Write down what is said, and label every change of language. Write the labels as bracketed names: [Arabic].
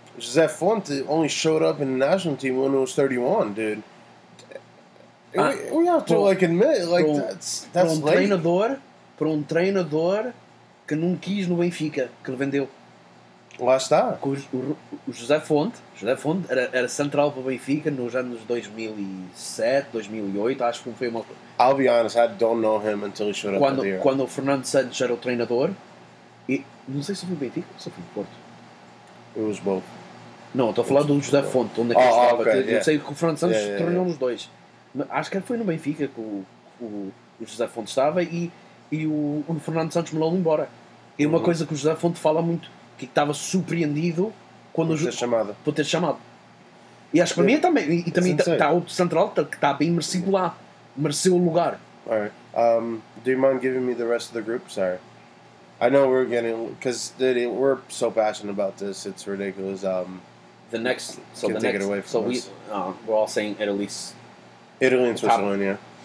[English] José Font only showed up in the national team when he was 31, dude. We have to admit, that's late. [Portuguese] Para um treinador que não quis no Benfica, que ele vendeu. Lá está. O José Font era central para o Benfica nos anos 2007, 2008, acho que foi uma... [English] I'll be honest, I don't know him until he showed up there. [Portuguese] Quando o Fernando Santos era o treinador, e não sei se foi o Benfica ou se foi o Porto. [English] It was both. [Portuguese] Não, estou a falar do José Font, onde é que estava. Okay. Eu sei que o Fernando Santos treinou nos dois. Acho que foi no Benfica que o José Font estava e o Fernando Santos me levou embora. E uma coisa que o José Font fala muito, que estava surpreendido quando por ter chamado. E acho que para mim também. E também está outro central que está bem merecido lá. Mereceu o lugar. [English] Alright. Do you mind giving me the rest of the group? Sorry. I know we're getting... Because we're so passionate about this. It's ridiculous. Us. We're all saying Italy and Switzerland,